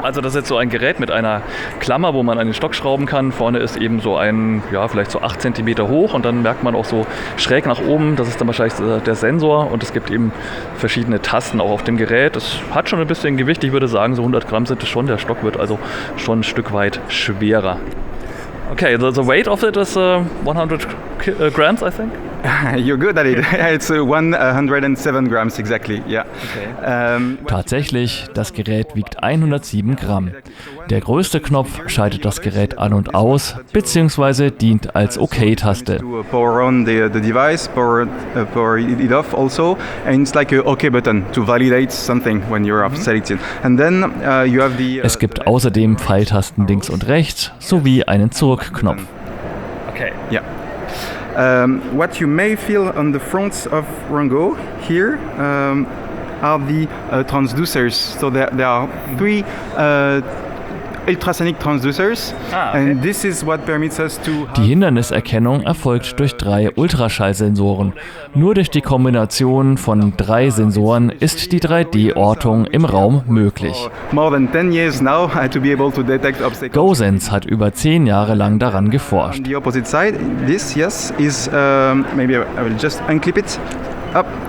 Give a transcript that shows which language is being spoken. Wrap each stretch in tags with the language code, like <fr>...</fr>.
<de>Also das ist jetzt so ein Gerät mit einer Klammer, wo man einen Stock schrauben kann. Vorne ist eben so ein, ja, vielleicht so 8 cm hoch und dann merkt man auch so schräg nach oben, das ist dann wahrscheinlich der Sensor und es gibt eben verschiedene Tasten auch auf dem Gerät. Es hat schon ein bisschen Gewicht, ich würde sagen so 100 Gramm sind es schon, der Stock wird also schon ein Stück weit schwerer.</de> <en>Okay, the weight of it is 100 grams, I think. You're good at it. It's 107 grams exactly. Yeah.</en> <de>Tatsächlich, das Gerät wiegt 107 Gramm. Der größte Knopf schaltet das Gerät an und aus, beziehungsweise dient als OK-Taste.</de> <en>Power on the device, power it off also, and it's like a OK-Button to validate something when you're off selected. And then you have the.</en> <de>Es gibt außerdem Pfeiltasten links und rechts sowie einen Zurückknopf.</de> <en>Okay. Yeah. What you may feel on the fronts of Rungo here are the transducers. So there are 3 ultrasonic transducers. And this is what permits us to.</en> <de>Die Hinderniserkennung erfolgt durch 3 Ultraschallsensoren. Nur durch die Kombination von 3 Sensoren ist die 3D-Ortung im Raum möglich. GoSense hat über 10 Jahre lang daran geforscht.</de> <en>The opposite side, this, yes, is maybe I will just unclip it up.</en>